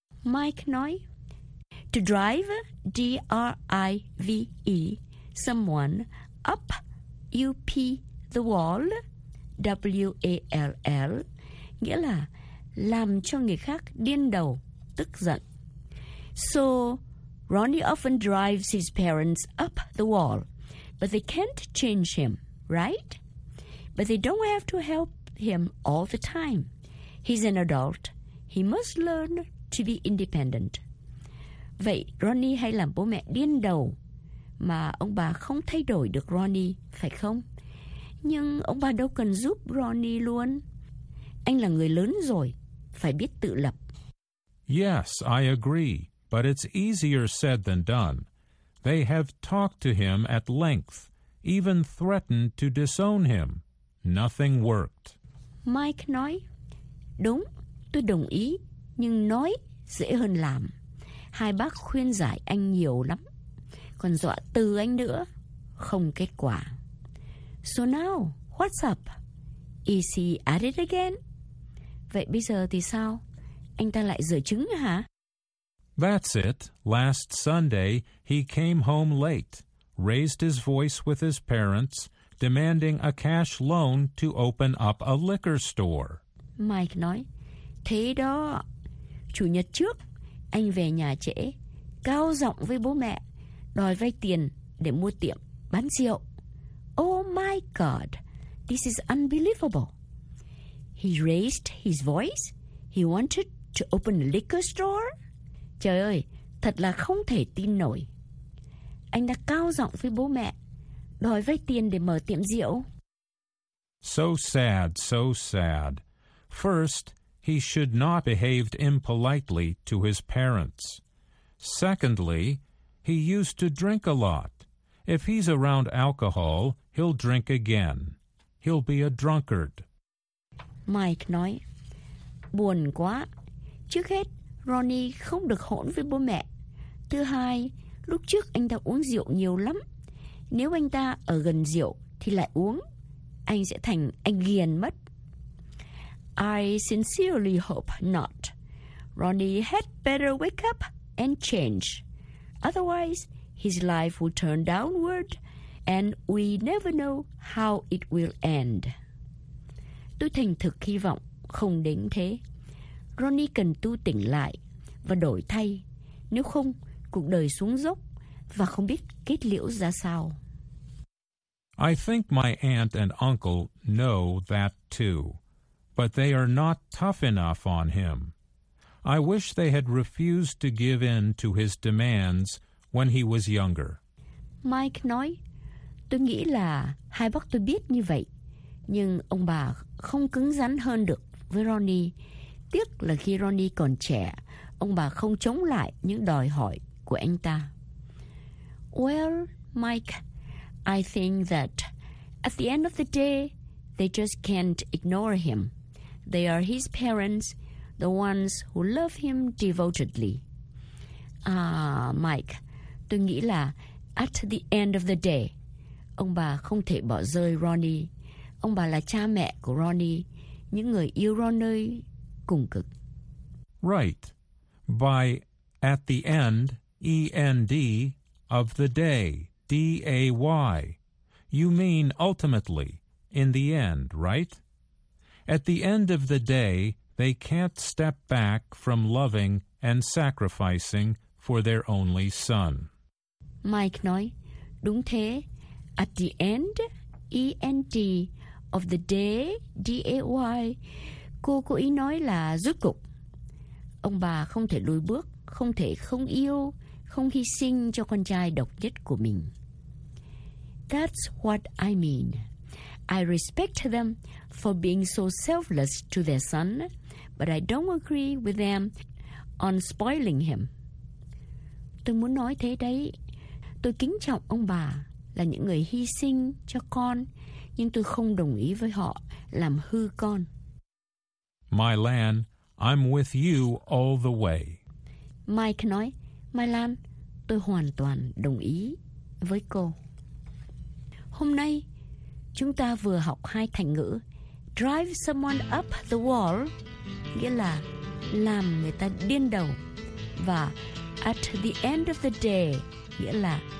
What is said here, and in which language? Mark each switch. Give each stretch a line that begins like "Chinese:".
English: Mike
Vietnamese: nói,
English: to drive, D-R-I-V-E, someone up UP, the wall, W-A-L-L,
Vietnamese: nghĩa là làm cho người khác điên đầu, tức giận.
English: So, Ronnie often drives his parents up the wall, but they can't change him, right? But they don't have to help him all the time. He's an adult. He must learn to be independent.
Vietnamese: Vậy, Ronnie hay làm bố mẹ điên đầu mà ông bà không thay đổi được Ronnie, phải không? Nhưng ông bà đâu cần giúp Ronnie luôn. Anh là người lớn rồi, phải biết tự lập.
English: Yes, I agree. But it's easier said than done. They have talked to him at length, even threatened to disown him. Nothing worked.
Vietnamese: Mike nói, đúng, tôi đồng ý, nhưng nói dễ hơn làm. Hai bác khuyên giải anh nhiều lắm, còn dọa từ anh nữa, không kết quả.
English: So now, what's up? Is he at it again?
Vietnamese: Vậy bây giờ thì sao? Anh ta lại giở trứng hả?
English: That's it. Last Sunday, he came home late, raised his voice with his parents, demanding a cash loan to open up a liquor store.
Vietnamese: Mike nói, thế đó, chủ nhật trước, anh về nhà trễ, cao giọng với bố mẹ, đòi vay tiền để mua tiệm, bán rượu.
English: Oh my God, this is unbelievable. He raised his voice, he wanted to open a liquor store.
Vietnamese: Trời ơi, thật là không thể tin nổi. Anh đã cao giọng với bố mẹ, đòi vay tiền để mở tiệm rượu.
English: So sad, so sad. First, he should not behave impolitely to his parents. Secondly, he used to drink a lot. If he's around alcohol, he'll drink again. He'll be a drunkard.
Vietnamese: Mike nói, buồn quá. Trước hết, Ronnie không được hỗn với bố mẹ. Thứ hai, lúc trước anh ta uống rượu nhiều lắm. Nếu anh ta ở gần rượu thì lại uống, anh sẽ thành anh ghiền mất.
English: I sincerely hope not. Ronnie had better wake up and change. Otherwise, his life will turn downward and we never know how it will end.
Vietnamese: Tôi thành thực hy vọng không đến thế. Ronnie cần tu tỉnh lại và đổi thay, nếu không cuộc đời xuống dốc và không biết kết liễu ra sao.
English: I think my aunt and uncle know that too, but they are not tough enough on him. I wish they had refused to give in to his demands when he was younger.
Vietnamese: Mike nói, tôi nghĩ là hai bác tôi biết như vậy, nhưng ông bà không cứng rắn hơn được với Ronnie. Tiếc là khi Ronnie còn trẻ, ông bà không chống lại những đòi hỏi của anh ta.
English: Well, Mike, I think that at the end of the day, they just can't ignore him. They are his parents, the ones who love him devotedly.
Vietnamese: Mike, tôi nghĩ là
English: at the end of the day,
Vietnamese: ông bà không thể bỏ rơi Ronnie. Ông bà là cha mẹ của Ronnie, những người yêu Ronnie.
English: Right. By at the end, E-N-D, of the day, D-A-Y. You mean ultimately, in the end, right? At the end of the day, they can't step back from loving and sacrificing for their only son. Mike
Vietnamese: nói, đúng thế.
English: At the end, E-N-D, of the day, D-A-Y.
Vietnamese: Cô cố ý nói là rốt cục. Ông bà không thể lùi bước, không thể không yêu, không hy sinh cho con trai độc nhất của mình.
English: That's what I mean. I respect them for being so selfless to their son, but I don't agree with them on spoiling him.
Vietnamese: Tôi muốn nói thế đấy. Tôi kính trọng ông bà là những người hy sinh cho con, nhưng tôi không đồng ý với họ làm hư con.
English: My Lan, I'm with you all the way.
Vietnamese: Mike nói, My Lan, tôi hoàn toàn đồng ý với cô. Hôm nay, chúng ta vừa học hai thành ngữ.
English: Drive someone up the wall,
Vietnamese: nghĩa là làm người ta điên đầu. Và
English: at the end of the day,
Vietnamese: nghĩa là